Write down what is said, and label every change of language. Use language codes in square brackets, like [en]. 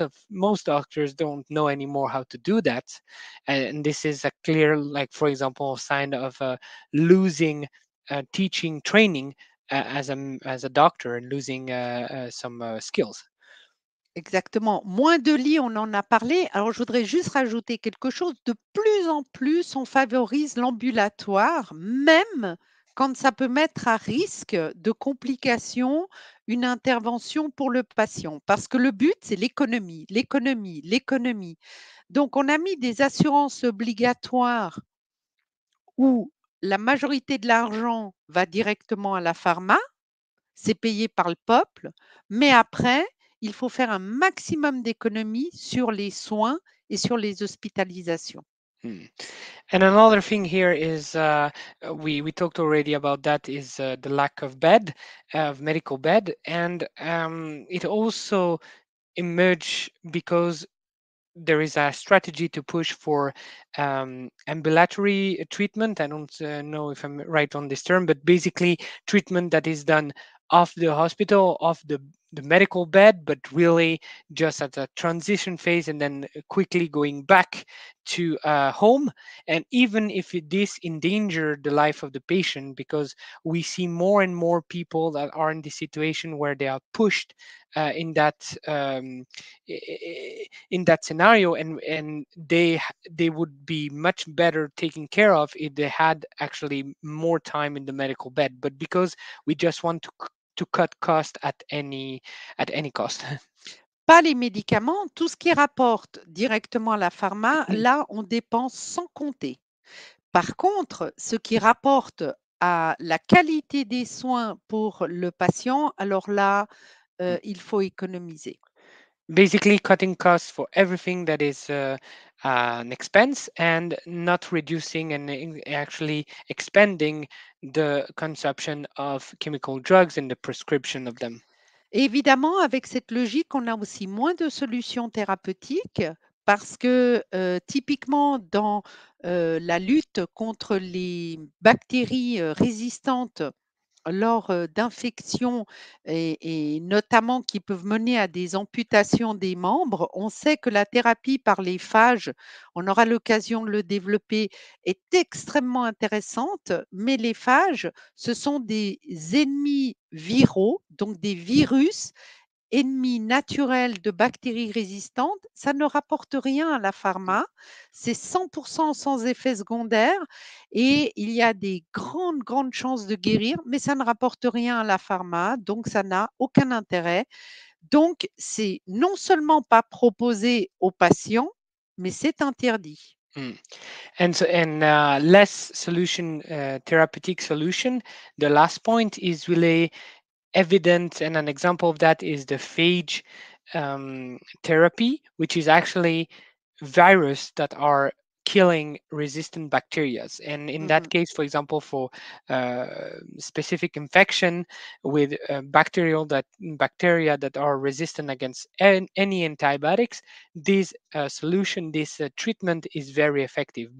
[en] most doctors don't know anymore how to do that, and this is a clear, like, for example, sign of losing teaching training as a doctor and losing some skills. [fr] Exactement. Moins de lits, on en a parlé. Alors, je voudrais juste rajouter quelque chose. De plus en plus, on favorise l'ambulatoire, même quand ça peut mettre à risque de complications une intervention pour le patient. Parce que le but, c'est l'économie, l'économie, l'économie. Donc, on a mis des assurances obligatoires où la majorité de l'argent va directement à la pharma. C'est payé par le peuple. Mais après, il faut faire un maximum d'économies sur les soins et sur les hospitalisations. [en] And another thing here is we talked already about that is the lack of bed, of medical bed, and it also emerged because there is a strategy to push for ambulatory treatment. I don't know if I'm right on this term, but basically treatment that is done off the hospital, off the medical bed, but really just at a transition phase and then quickly going back to home. And even if this endangered the life of the patient, because we see more and more people that are in this situation where they are pushed in that scenario, and they would be much better taken care of if they had actually more time in the medical bed. But because we just want to cut cost at any cost. [fr] Pas les médicaments, tout ce qui rapporte directement à la pharma, là on dépense sans compter. Par contre, ce qui rapporte à la qualité des soins pour le patient, alors là, il faut économiser. [en] Basically cutting costs for everything that is an expense and not reducing and actually expanding the consumption of chemical drugs and the prescription of them. [fr] Et évidemment, avec cette logique, on a aussi moins de solutions thérapeutiques parce que typiquement dans la lutte contre les bactéries résistantes lors d'infections et notamment qui peuvent mener à des amputations des membres, on sait que la thérapie par les phages, on aura l'occasion de le développer, est extrêmement intéressante, mais les phages, ce sont des ennemis viraux, donc des virus ennemis naturels de bactéries résistantes. Ça ne rapporte rien à la pharma, c'est 100% sans effet secondaire et il y a des grandes, grandes chances de guérir, mais ça ne rapporte rien à la pharma, donc ça n'a aucun intérêt. Donc, c'est non seulement pas proposé aux patients, mais c'est interdit. [en] And less solution, therapeutic solution. The last point is really evident, and an example of that is the phage therapy, which is actually virus that are killing resistant bacteria. And in that case, for example, for specific infection with bacteria that are resistant against any antibiotics, this solution, this treatment is very effective.